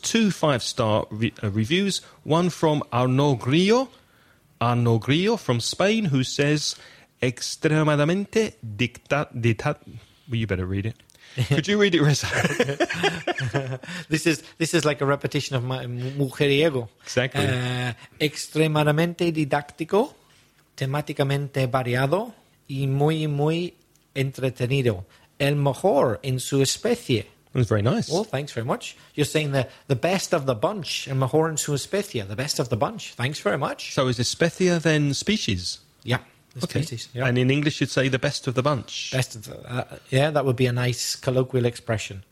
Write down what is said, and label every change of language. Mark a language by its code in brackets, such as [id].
[en] Two five-star reviews, one from Arnaud Grillo from Spain, who says, [es] extremadamente dictat. [en] Well, you better read it. Could you read it, Reza? this is like a repetition of my Mujeriego. Exactly. [es] Extremadamente didáctico, temáticamente variado y muy, muy entretenido. El mejor en su especie. [en] That was very nice. Well, thanks very much. You're saying the best of the bunch. [es] El mejor en su especie. [en] The best of the bunch. Thanks very much. So is especie then species? Yeah. Okay. Yep. And in English, you'd say the best of the bunch. Best of the, yeah, that would be a nice colloquial expression.